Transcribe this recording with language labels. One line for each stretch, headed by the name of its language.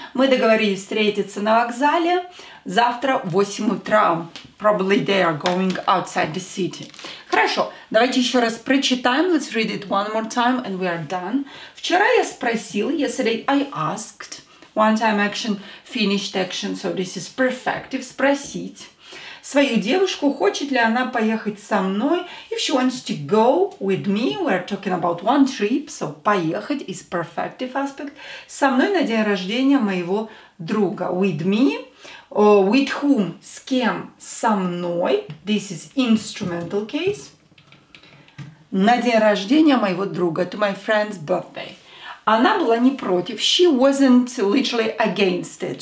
Russian: Мы договорились встретиться на вокзале завтра в 8 утра.
English: Probably they are going outside the city.
Russian: Хорошо, давайте еще раз прочитаем.
English: Let's read it one more time and we are done.
Russian: Вчера я спросил,
English: yesterday I asked. One time action, finished action, so this is perfective.
Russian: Спросить свою девушку, хочет ли она поехать со мной.
English: If she wants to go with me, we are talking about one trip, so поехать is perfective aspect.
Russian: Со мной на день рождения моего друга.
English: With me, with whom,
Russian: с кем, со мной.
English: This is instrumental case.
Russian: На день рождения моего друга,
English: to my friend's birthday.
Russian: Она была не против.
English: She wasn't literally against it.